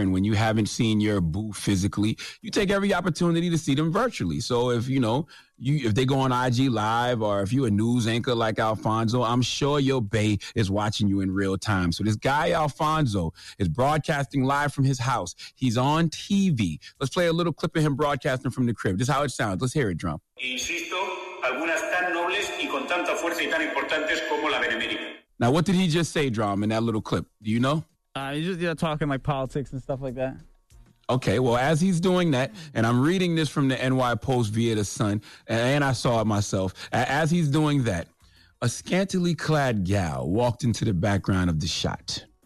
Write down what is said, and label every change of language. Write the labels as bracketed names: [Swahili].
[English] And when you haven't seen your boo physically, you take every opportunity to see them virtually. So if, you know, if they go on IG Live or if you're a news anchor like Alfonso, I'm sure your bae is watching you in real time. So this guy, Alfonso, is broadcasting live from his house. He's on TV. Let's play a little clip of him broadcasting from the crib. This is how it sounds. Let's hear it, drum. [Spanish] Insisto, algunas tan nobles y con tanta fuerza y tan importantes como la Benemérita. [English] Now, what did he just say, Drum, in that little clip? Do you know? He's just talking like politics and stuff like that. Okay, well, as he's doing that, and I'm reading this from the NY Post via the Sun, and I saw it myself. As he's doing that, a scantily clad gal walked into the background of the shot.